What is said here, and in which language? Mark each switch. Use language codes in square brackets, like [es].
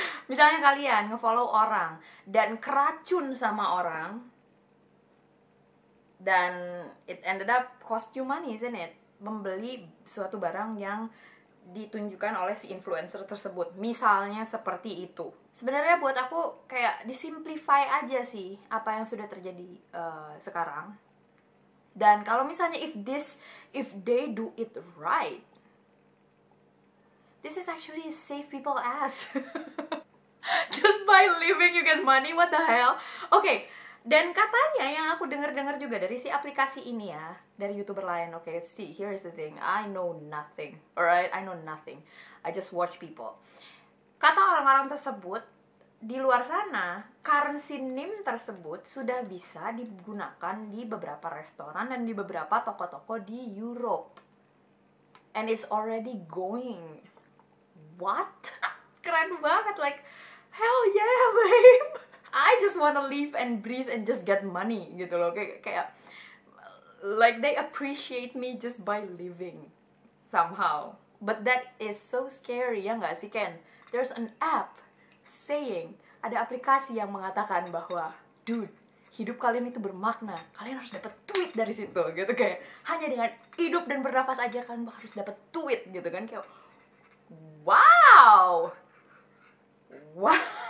[id] Misalnya kalian nge-follow orang, dan keracun sama orang, dan [en] it ended up cost you money, isn't it? [id] Membeli suatu barang yang ditunjukkan oleh si influencer tersebut. Misalnya seperti itu. Sebenarnya buat aku kayak disimplify aja sih apa yang sudah terjadi sekarang. Dan kalau misalnya [en] if they do it right, this is actually save people ass. Just by living you get money, what the hell? Okay. [id] Dan katanya yang aku dengar-dengar juga dari si aplikasi ini ya, dari YouTuber lain. [en] Okay, see, here is the thing. I know nothing. Alright, I know nothing. I just watch people. [id] Kata orang-orang tersebut, di luar sana, currency NIM tersebut sudah bisa digunakan di beberapa restoran dan di beberapa toko-toko di Europe. [en] And it's already going. What? [id] Keren banget, [en] like, hell yeah, babe! I just wanna live and breathe and just get money, [id] gitu loh. [en] Kayak, like, they appreciate me just by living, somehow. But that is so scary, [id] ya gak sih, [en] Ken? There's an app saying, [id] ada aplikasi yang mengatakan bahwa, dude, hidup kalian itu bermakna. Kalian harus dapat tweet dari situ, gitu. Kayak, hanya dengan hidup dan bernafas aja kalian harus dapat tweet, gitu kan. Kayak, wow! Wow!